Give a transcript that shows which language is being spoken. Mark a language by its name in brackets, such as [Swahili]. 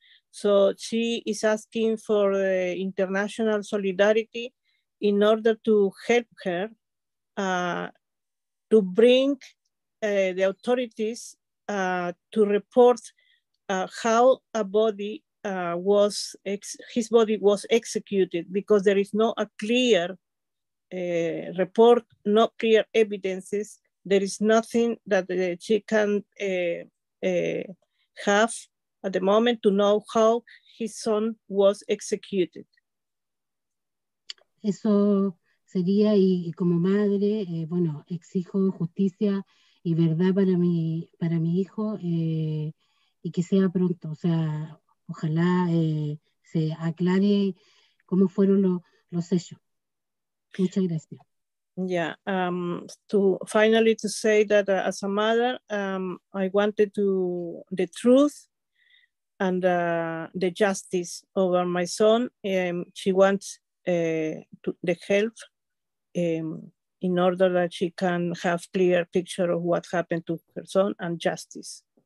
[English] So she is asking for international solidarity in order to help her to bring the authorities to report how a body was executed, because there is not a clear report, not clear evidences. There is nothing that she can have at the moment to know how his son was executed. [Spanish] Eso sería, y como madre, bueno, exijo justicia y verdad para mi hijo, y que sea pronto, o sea, ojalá se aclare cómo fueron los hechos. Muchas gracias. [English] Yeah, to say that as a mother, I wanted to the truth and the justice over my son. She wants the help in order that she can have clear picture of what happened to her son and justice.